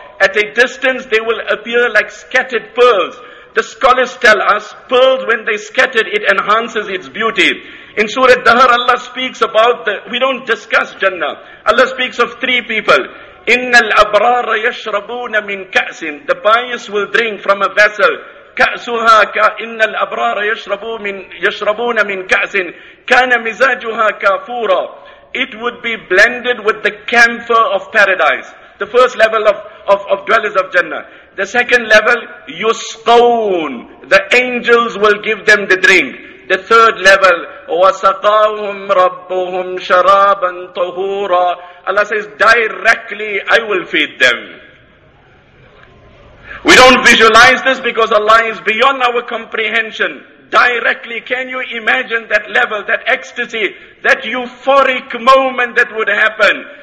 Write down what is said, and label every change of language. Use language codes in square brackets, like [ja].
[en] At a distance they will appear like scattered pearls. The scholars tell us, pearls when they scattered, it enhances its beauty. In Surah Dahar, Allah speaks about the, we don't discuss Jannah. Allah speaks of three people. [ar] إِنَّ الْأَبْرَارَ يَشْرَبُونَ مِنْ كَأْسٍ. [en] The pious will drink from a vessel. [ar] كأسها كإن الأبرار يشربون من كأس كان مزاجها كافورا. [en] It would be blended with the camphor of paradise. The first level of dwellers of Jannah. The second level, يسقون. The angels will give them the drink. The third level, [ar] وسقاهم ربهم شرابا طهورا. [en] Allah says, directly I will feed them. We don't visualize this because Allah is beyond our comprehension. Directly, can you imagine that level, that ecstasy, that euphoric moment that would happen?